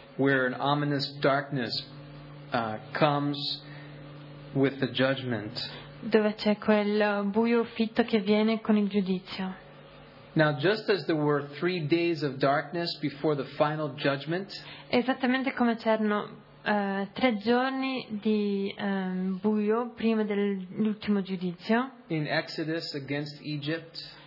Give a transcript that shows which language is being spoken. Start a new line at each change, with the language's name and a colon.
English: Where an ominous darkness comes with the judgment.
Italian: Dove c'è quel buio fitto che viene con il giudizio.
English: Now, just as there were 3 days of darkness before the final judgment.
Italian: Esattamente come c'erano 3 giorni di buio prima dell'ultimo giudizio.
English: In Exodus against Egypt.